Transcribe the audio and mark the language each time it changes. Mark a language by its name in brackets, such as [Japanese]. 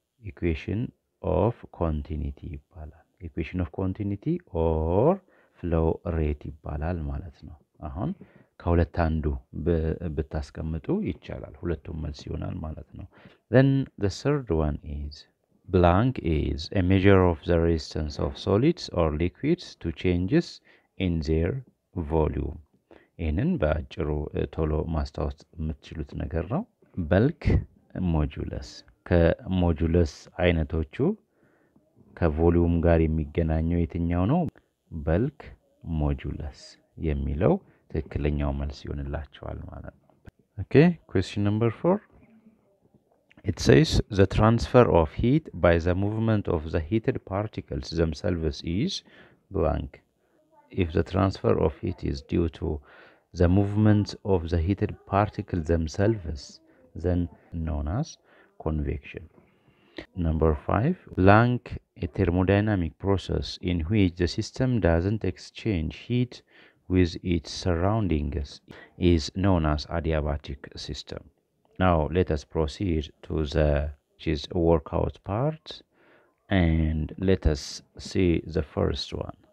[English] equation of continuity [Amharic] ይባላል። [English] equation of continuity or flow rate [Amharic] ይባላል ማለት ነው። አሁን ከሁለት አንዱ በታስቀምጡ ይቻላል፣ ሁለቱም መልስ ይሆናል ማለት ነው። [English] then the third one is blank is a measure of the resistance of solids or liquids to changes in their volume. [Amharic] ይህንን በአጭሩ ቶሎ ማስታወስ የምትችሉት ነገር ነው። በልክ ሞጁለስ፣ ከሞጁለስ አይነቶቹ ከቮሊዩም ጋር የሚገናኘው የትኛው ነው? በልክ ሞጁለስ የሚለው ትክክለኛው መልስ ይሆንላችኋል ማለት ነው። [English] ኦኬ ኩዌስቸን ነምበር 4 ኢት ሴይስ ዘ ትራንስፈር ኦፍ ሂት ባይ ዘ ሙቭመንት ኦፍ ዘ ሂትድ ፓርቲክልስ ዘምሰልቭስ ኢዝ ብላንክ if the transfer of heat is due to the movement of the heated particles themselves then known as convection. Number 5 blank a thermodynamic process in which the system doesn't exchange heat with its surroundings is known as adiabatic system. Now let us proceed to the which is workout part and let us see the first one.